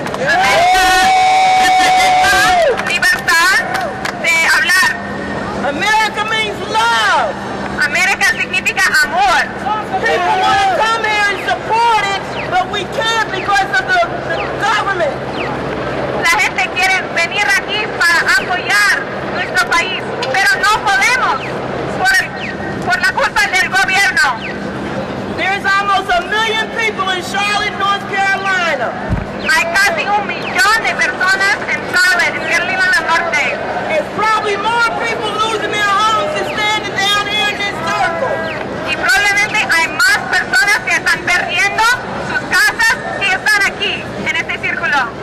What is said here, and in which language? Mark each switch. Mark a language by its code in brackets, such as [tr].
[es] America representa libertad de hablar. [en] America means love. [es] America significa amor. [en] People want to come here and support it, but we can't because of the government. [es] La gente quiere venir aquí para apoyar nuestro país, pero no podemos por la culpa del gobierno. [en] There's almost a million people in Charlotte, North Carolina. [es] Hay casi 1,000,000 de personas en Charlotte, en Carolina del Norte. [en] It's probably more people losing their homes than standing down here in this circle. [es] Y probablemente hay más personas que están perdiendo sus casas que están aquí, en este círculo.